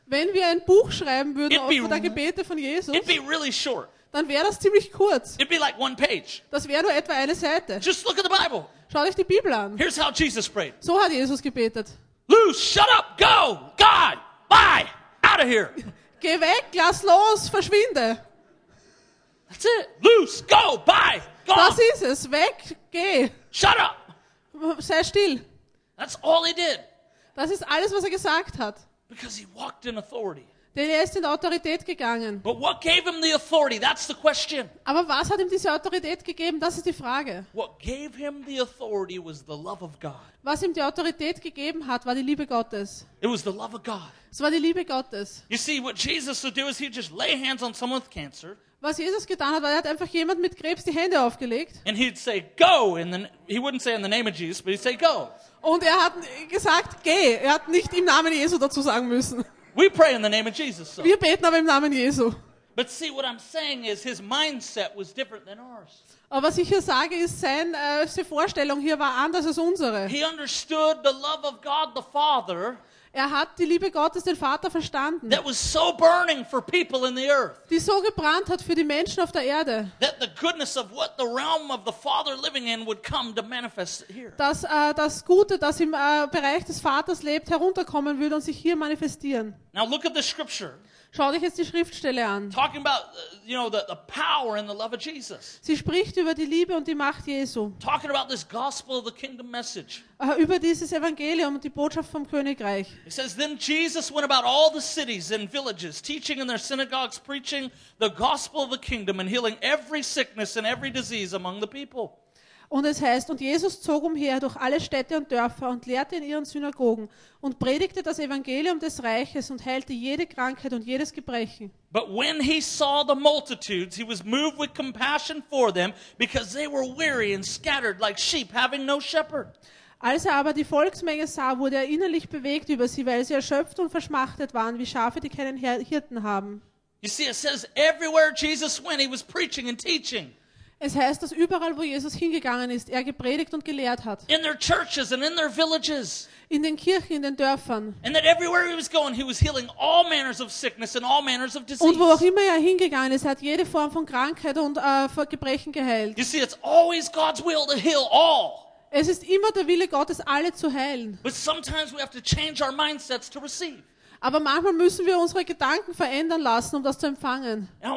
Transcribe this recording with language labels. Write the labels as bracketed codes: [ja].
[de] wenn wir ein Buch schreiben würden über die Gebete von Jesus, [en] it'd be really short. [de] Dann wäre das ziemlich kurz. [en] It'd be like one page. [de] Das wäre nur etwa eine Seite. [en] Just look at the Bible. [de] Schau dich die Bibel an. [en] Here's how Jesus prayed. [de] So hat Jesus gebetet. [en] Loose, shut up, go, God, bye, out of here. [de] Geh weg, lass los, verschwinde. [en] That's it. Loose, go, bye, go. [de] Das ist es, weg, geh. [en] Shut up. [de] Sei still. [en] That's all he did. [de] Das ist alles, was er gesagt hat. [en] Because he walked in authority. [de] Denn er ist in Autorität gegangen. [en] But what gave him the authority? That's the question. [de] Aber was hat ihm diese Autorität gegeben? Das ist die Frage. [en] What gave him the authority was the love of God. [de] Was ihm die Autorität gegeben hat, war die Liebe Gottes. [en] It was the love of God. [de] Es war die Liebe Gottes. [en] You see, what Jesus would do is he'd just lay hands on someone with cancer. [de] Was Jesus getan hat, war, er hat einfach jemand mit Krebs die Hände aufgelegt. [en] And he'd say, go. And then he wouldn't say in the name of Jesus, but he'd say, go. [de] Und er hat gesagt, geh. Er hat nicht im Namen Jesu dazu sagen müssen. [en] We pray in the name of Jesus. So. [de] Wir beten aber im Namen Jesu. [en] But see, what I'm saying is, his mindset was different than ours. [de] Aber was ich hier sage, ist, seine Vorstellung hier war anders als unsere. [en] He understood the love of God the Father. [de] Er hat die Liebe Gottes, den Vater, verstanden. [en] That was so burning for people in the earth. [de] Die so gebrannt hat für die Menschen auf der Erde. [en] That the goodness of what the realm of the Father living in would come to manifest here. [de] Dass das Gute, das im Bereich des Vaters lebt, herunterkommen würde und sich hier manifestieren. [en] Now look at the scripture. [de] Schau dich jetzt die Schriftstelle an. [en] Talking about, you know, the power and the love of Jesus. [de] Sie spricht über die Liebe und die Macht Jesu. [en] Talking about this gospel of the kingdom message. [de] Über dieses Evangelium und die Botschaft vom Königreich. [en] It says, then Jesus went about all the cities and villages, teaching in their synagogues, preaching the gospel of the kingdom and healing every sickness and every disease among the people. [de] Und es heißt, und Jesus zog umher durch alle Städte und Dörfer und lehrte in ihren Synagogen und predigte das Evangelium des Reiches und heilte jede Krankheit und jedes Gebrechen. [en] But when he saw the multitudes, he was moved with compassion for them, because they were weary and scattered like sheep having no shepherd. [de] Als er aber die Volksmenge sah, wurde er innerlich bewegt über sie, weil sie erschöpft und verschmachtet waren wie Schafe, die keinen Hirten haben. [en] You see, it says everywhere Jesus went, he was preaching and teaching. [de] Es heißt, dass überall, wo Jesus hingegangen ist, er gepredigt und gelehrt hat. [en] In their churches and in their villages. [de] In den Kirchen, in den Dörfern. [en] And that everywhere he was going, he was healing all manners of sickness and all manners of disease. [de] Und wo auch immer er hingegangen ist, er hat jede Form von Krankheit und Gebrechen geheilt. [en] You see, it's always God's will to heal all. [de] Es ist immer der Wille Gottes, alle zu heilen. [en] But sometimes we have to change our mindsets to receive. [de] Aber manchmal müssen wir unsere Gedanken verändern lassen, um das zu empfangen.